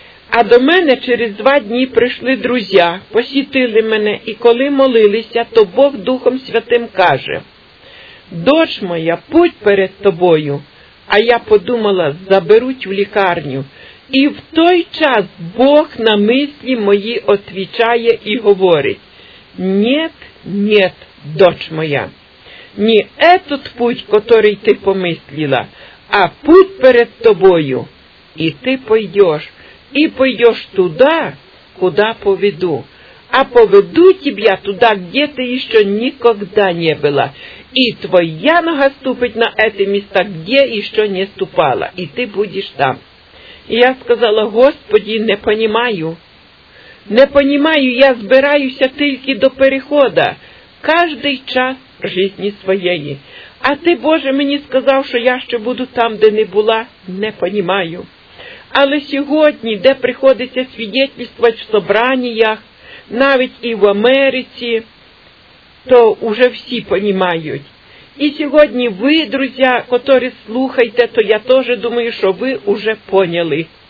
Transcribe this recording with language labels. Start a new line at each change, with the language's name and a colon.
Ukrainian: А до мене через 2 дні прийшли друзі, посітили мене, і коли молилися, то Бог Духом Святим каже:
Russian: «Дочь моя, путь перед тобою».
Ukrainian: А я подумала: заберуть в лікарню. І в той час Бог на мислі мої отвічає і говорить:
Russian: «Нєт, нєт, дочь моя, не этот путь, который ты помыслила, а путь перед тобою, и ты пойдешь, и пойдешь туда, куда поведу, а поведу тебя туда, где ты еще никогда не была, и твоя нога ступить на эти места, где еще не ступала, и ты будешь там. И я сказала: Господи, не понимаю, не понимаю,
Ukrainian: я збираюся тільки до перехода,
Russian: каждый час жизни своєї.
Ukrainian: А ти, Боже, мені сказав, що я ще буду там, де не була,
Russian: не понимаю.
Ukrainian: Але сьогодні, де приходиться свідетельствувати в собраниях, навіть і в Америці, то уже всі понимають. І сьогодні ви, друзі, які слухаєте, то я теж думаю, що ви вже поняли.